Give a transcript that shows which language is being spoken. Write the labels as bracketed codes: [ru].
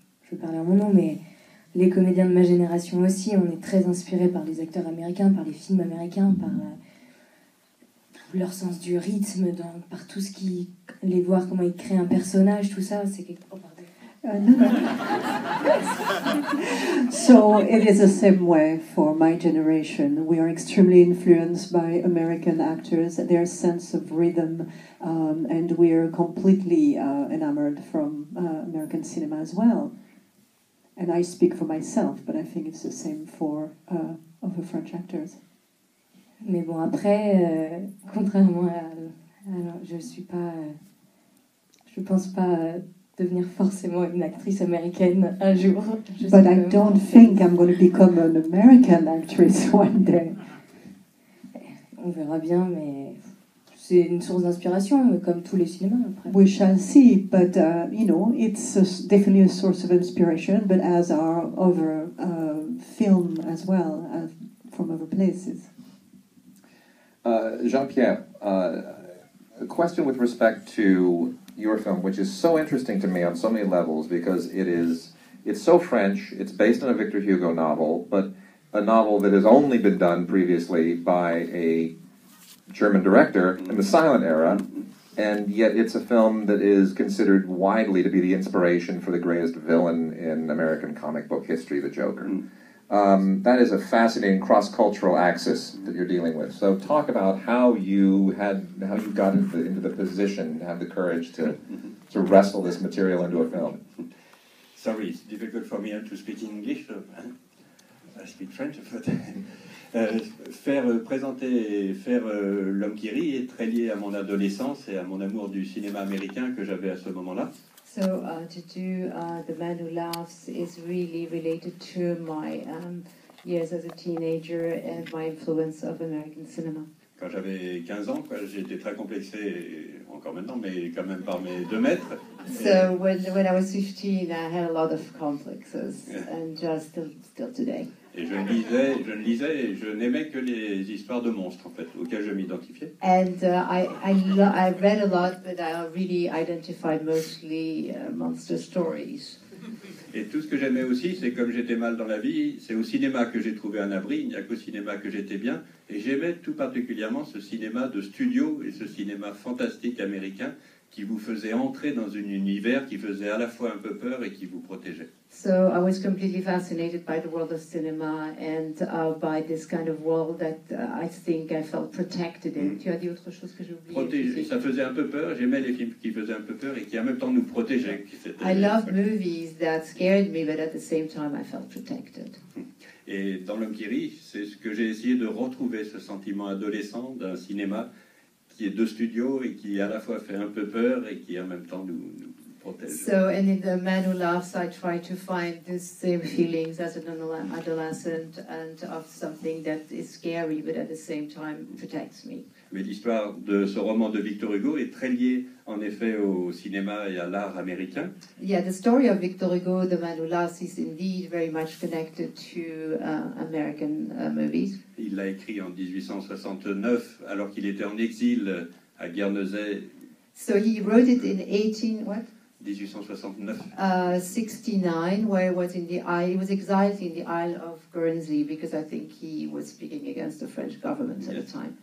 [fr] Je parlais en mon nom, mais les comédiens de ma génération aussi, on est très inspirés par les acteurs américains, par les films américains, par leur sens du rythme, dans, par tout ce qui... les voir comment ils créent un personnage, tout ça, c'est quelque... Oh, pardon. [en] So, it is the same way for my generation. We are extremely influenced by American actors, their sense of rhythm, and we are completely enamored from American cinema as well. And I speak for myself, but I think it's the same for other French actors. [fr] Mais bon, après, contrairement à... Alors, je suis pas... je pense pas devenir forcément une actrice américaine un jour. [en] But I don't think I'm going to become an American actress one day. [fr] On verra bien, mais... C'est une source d'inspiration, comme tous les cinémas, après. [en] We shall see, but, you know, it's a, definitely a source of inspiration, but as are other film as well, from other places. Jean-Pierre, a question with respect to your film, which is so interesting to me on so many levels, because it is, it's so French, it's based on a Victor Hugo novel, but a novel that has only been done previously by a German director in the silent era, and yet it's a film that is considered widely to be the inspiration for the greatest villain in American comic book history, the Joker. That is a fascinating cross-cultural axis that you're dealing with. So talk about how you got into the position to have the courage to wrestle this material into a film. Sorry, it's difficult for me to speak English. I speak French, but... [fr] Faire L'homme qui rit est très lié à mon adolescence et à mon amour du cinéma américain que j'avais à ce moment-là. [en] So to do The Man Who Laughs is really related to my years as a teenager and my influence of American cinema. [fr] Quand j'avais 15 ans, quoi, j'étais très complexé, encore maintenant, mais quand même par mes 2 mètres. [en] So when I was 15, I had a lot of complexes, and just still today. [fr] Et je ne lisais, et je n'aimais que les histoires de monstres, en fait, auxquelles je m'identifiais. [en] And I read a lot, but I really identified mostly monster stories. [fr] Et tout ce que j'aimais aussi, c'est comme j'étais mal dans la vie, c'est au cinéma que j'ai trouvé un abri, il n'y a qu'au cinéma que j'étais bien. Et j'aimais tout particulièrement ce cinéma de studio et ce cinéma fantastique américain qui vous faisait entrer dans un univers qui faisait à la fois un peu peur et qui vous protégeait. [en] So I was completely fascinated by the world of cinema and by this kind of world that I think I felt protected in. [fr] Tu as dit autre chose que j'ai oublié. Ça faisait un peu peur. J'aimais les films qui faisaient un peu peur et qui en même temps nous protégeaient. [en] I love movies that scared me, but at the same time I felt protected. [fr] Et dans L'homme qui rit, c'est ce que j'ai essayé de retrouver, ce sentiment adolescent d'un cinéma qui est de studio et qui à la fois fait un peu peur et qui en même temps nous [en] So, and in The Man Who Laughs, I try to find the same feelings as an adolescent and of something that is scary, but at the same time protects me. [fr] Mais l'histoire de ce roman de Victor Hugo est très liée, en effet, au cinéma et à l'art américain. [en] Yeah, the story of Victor Hugo, The Man Who Laughs, is indeed very much connected to American movies. [fr] Il l'a écrit en 1869, alors qu'il était en exil à Guernesey. [en] So he wrote it in 18... what? 1869, where he was in the he was exiled in the Isle of Guernsey because I think he was speaking against the French government at the time.